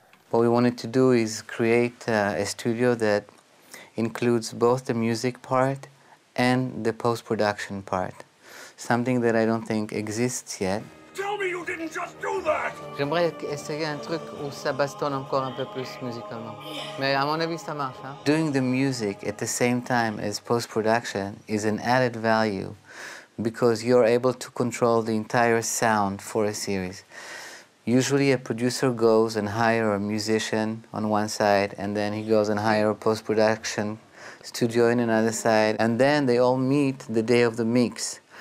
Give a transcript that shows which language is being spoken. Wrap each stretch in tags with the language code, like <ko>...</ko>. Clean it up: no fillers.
<en>What we wanted to do is create a studio that includes both the music part and the post-production part. Something that I don't think exists yet. Tell me you didn't just do that!</en> <fr>J'aimerais essayer un truc où ça bastonne encore un peu plus musicalement. Mais à mon avis, ça marche, hein?</fr> <en>Doing the music at the same time as post-production is an added value because you're able to control the entire sound for a series. Usually a producer goes and hires a musician on one side and then he goes and hires a post-production studio on another side and then they all meet the day of the mix.</en>